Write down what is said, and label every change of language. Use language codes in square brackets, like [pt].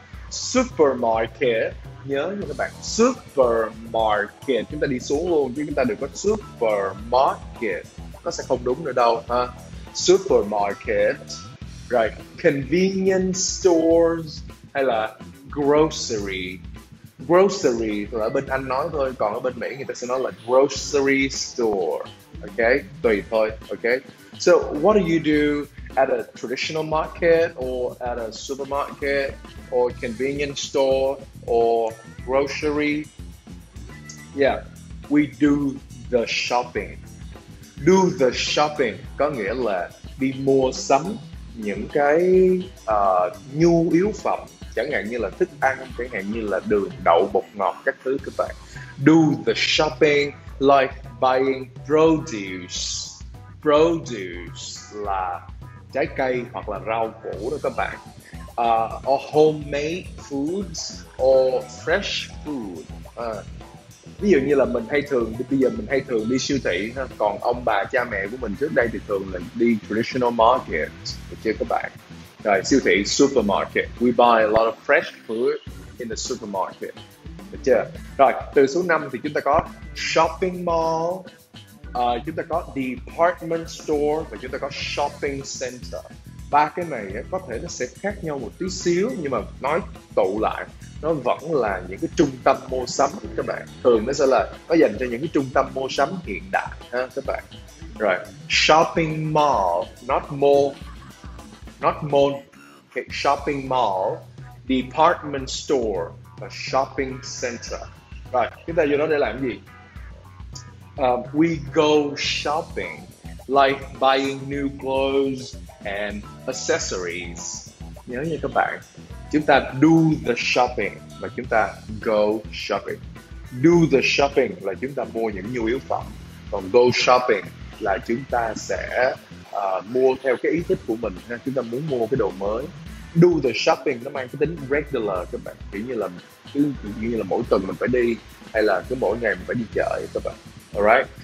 [vi] Supermarket, nhớ nha các bạn, supermarket, chúng ta đi xuống luôn chứ chúng ta đừng có supermarket, nó sẽ không đúng nữa đâu ha. [en] Supermarket, right, convenience stores [vi] hay là [en] grocery. [vi] Grocery là ở bên Anh nói thôi, còn ở bên Mỹ người ta sẽ nói là grocery store. Ok, tùy thôi. [en] Ok, so what do you do at a traditional market or at a supermarket or convenience store or grocery? Yeah, we do the shopping. [vi] Do the shopping có nghĩa là đi mua sắm những cái nhu yếu phẩm, chẳng hạn như là thức ăn, chẳng hạn như là đường, đậu, bột ngọt, các thứ các bạn. [en] Do the shopping, like buying produce. [vi] Produce là trái cây hoặc là rau củ đó các bạn. [en] Or homemade foods or fresh food. [vi] Ví dụ như là mình hay thường, bây giờ mình hay thường đi siêu thị ha. Còn ông bà cha mẹ của mình trước đây thì thường là đi traditional market, được chưa các bạn? Rồi, siêu thị, supermarket. [en] We buy a lot of fresh food in the supermarket. [vi] Được chưa? Rồi, từ số 5 thì chúng ta có shopping mall, chúng ta có department store và chúng ta có shopping center. Ba cái này có thể nó sẽ khác nhau một tí xíu, nhưng mà nói tụ lại, nó vẫn là những cái trung tâm mua sắm các bạn. Thường nó sẽ là nó dành cho những cái trung tâm mua sắm hiện đại ha các bạn. [en] Rồi, shopping mall, not mall, okay, shopping mall, department store, a shopping center. [vi] Rồi, chúng ta vô đó để làm gì? [en] We go shopping, like buying new clothes and accessories. [vi] Nhớ nha các bạn, chúng ta do the shopping và chúng ta go shopping. Do the shopping là chúng ta mua những nhu yếu phẩm, còn go shopping là chúng ta sẽ mua theo cái ý thích của mình ha. Chúng ta muốn mua cái đồ mới. Do the shopping nó mang cái tính regular các bạn, kiểu như là mỗi tuần mình phải đi, hay là cứ mỗi ngày mình phải đi chợ các bạn. Alright.